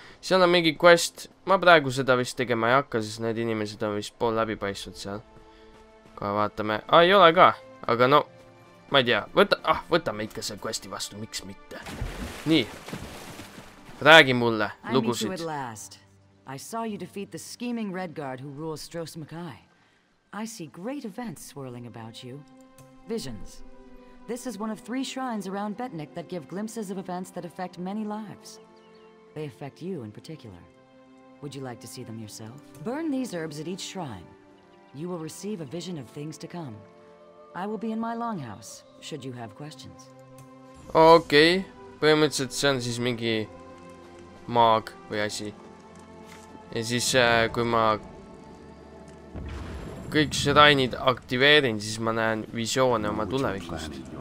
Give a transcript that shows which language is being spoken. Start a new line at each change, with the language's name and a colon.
Estonian: Seal on mingi quest, ma praegu seda vist tegema ei hakka, sest need inimesed on vist pool läbi paissud seal. Kohe vaatame, ah ei ole ka, aga no, ma ei tea, võtame ikka selle questi vastu, miks mitte. Nii, räägi mulle lugusid.
English: I saw you defeat the scheming Red Guard who rules Stros Mackay. I see great events swirling about you. Visions. This is one of three shrines around Betnik that give glimpses of events that affect many lives. They affect you in particular. Would you like to see them yourself? Burn these herbs at each shrine. You will receive a vision of things to come. I will be in my longhouse, should you have questions. Okay.
Estonian: Põhimõtteliselt see on siis mingi maag või asi. Ja siis kui ma kõik shrineid aktiveerin, siis ma näen visioone oma tulevikust.